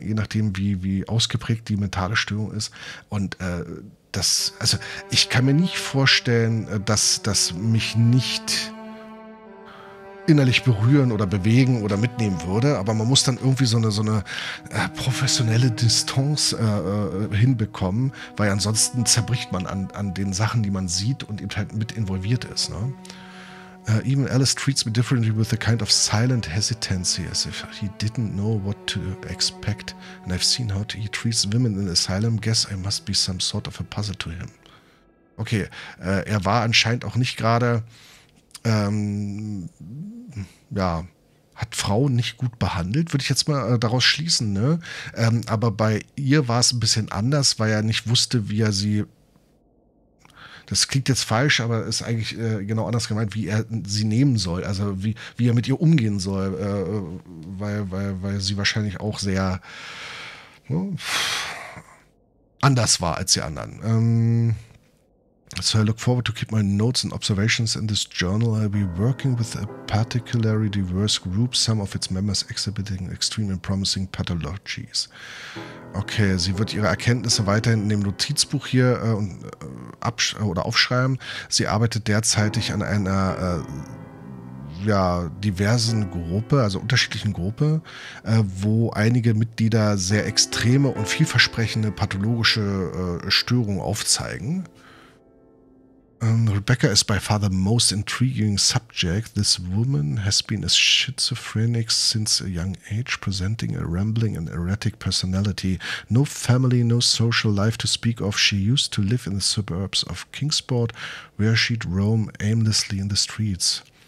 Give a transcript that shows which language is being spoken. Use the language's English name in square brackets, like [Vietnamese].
[German] Je nachdem, wie ausgeprägt die mentale Störung ist. Und das, also ich kann mir nicht vorstellen, dass das mich nicht innerlich berühren oder bewegen oder mitnehmen würde, aber man muss dann irgendwie so eine professionelle Distanz hinbekommen, weil ansonsten zerbricht man an den Sachen, die man sieht und eben halt mit involviert ist. Ne? [English] Even Alice treats me differently with a kind of silent hesitancy, as if he didn't know what to expect. And I've seen how he treats women in asylum. Guess I must be some sort of a puzzle to him. [German] Okay, er war anscheinend auch nicht gerade, hat Frauen nicht gut behandelt, würde ich jetzt mal daraus schließen, ne? Aber bei ihr war es ein bisschen anders, weil er nicht wusste, wie er sie... Das klingt jetzt falsch, aber ist eigentlich genau anders gemeint, wie er sie nehmen soll, also wie er mit ihr umgehen soll, weil sie wahrscheinlich auch sehr anders war als die anderen. [English] So I look forward to keep my notes and observations in this journal. I'll be working with a particularly diverse group, some of its members exhibiting extreme and promising pathologies. [German] Okay, sie wird ihre Erkenntnisse weiterhin in dem Notizbuch hier aufschreiben. Sie arbeitet derzeitig an einer diversen Gruppe, also unterschiedlichen Gruppe, wo einige Mitglieder sehr extreme und vielversprechende pathologische Störungen aufzeigen. [English] Rebecca is by far the most intriguing subject. This woman has been a schizophrenic since a young age, presenting a rambling and erratic personality. No family, no social life to speak of. She used to live in the suburbs of Kingsport, where she'd roam aimlessly in the streets.